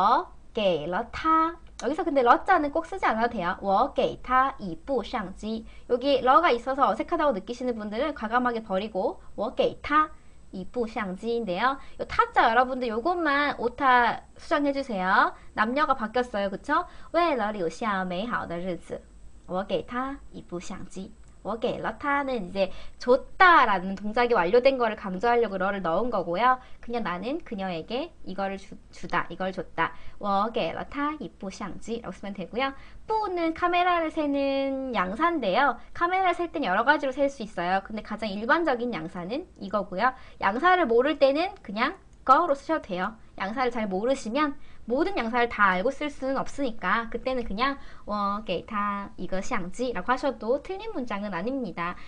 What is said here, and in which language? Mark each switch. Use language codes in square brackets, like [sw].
[zh] 我给了他 [ko] 여기서 근데 러자는 꼭 쓰지 않아도 돼요. [zh] 我给他一部相机. [ko] 여기 러가 있어서 어색하다고 느끼시는 분들은 과감하게 버리고 [zh] 我给他一部相机 [ko] 인데요. 요 타자 여러분들 요것만 오타 수정해주세요. 남녀가 바뀌었어요. 그쵸? [zh] 为了留下美好的日子 我给他一部相机. 我给了他 [ko] 는 이제 줬다라는 동작이 완료된 거를 강조하려고 러를 넣은 거고요. 그냥 나는 그녀에게 이거를 주다, 이걸 줬다. [zh] 我给了他一部相机 [ko] 라고 쓰면 되고요. 不는 카메라를 세는 양사인데요. 카메라를 셀땐 여러 가지로 셀수 있어요. 근데 가장 일반적인 양사는 이거고요. 양사를 모를 때는 그냥 go로 쓰셔도 돼요. 양사를 잘 모르시면 모든 양사를 다 알고 쓸 수는 없으니까 그때는 그냥 [zh] 我给他 [ko] 이거 相机라고 하셔도 틀린 문장은 아닙니다.